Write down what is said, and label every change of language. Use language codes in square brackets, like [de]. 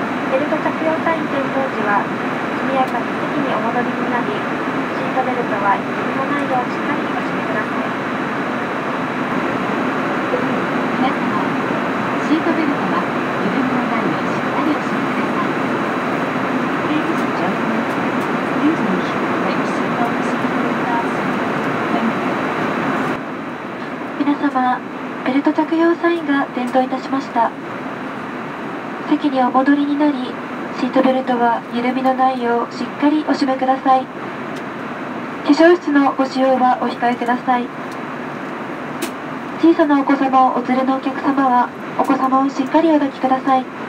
[ja] ベルト着用サイン点灯時は速やかに席にお戻りになり、シートベルトは緩みのないようしっかりお締めください。皆様、シートベルトは緩みのないようしっかりお締めください。 [en] Ladies and gentlemen, please make sure that your seatbelt is securely fastened. [ja] 皆様、ベルト着用サインが点灯いたしました。席にお戻りになり、シートベルトは緩みのないようしっかりお締めください。化粧室のご使用はお控えください。小さなお子様をお連れのお客様はお子様をしっかりお抱きください。